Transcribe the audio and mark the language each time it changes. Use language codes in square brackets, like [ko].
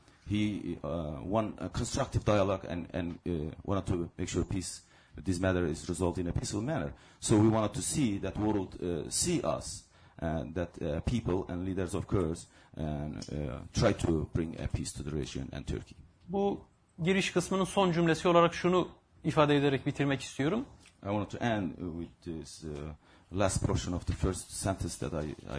[en] He won a constructive dialogue and wanted to make sure peace, this matter is resolved in a peaceful manner. So we wanted to see that world see us, and that people and leaders of Kurds and try to bring a peace to the region and Turkey. [tr] Bu giriş kısmının son cümlesi olarak şunu ifade ederek bitirmek istiyorum. [en] I wanted to end with this last portion of the first sentence that I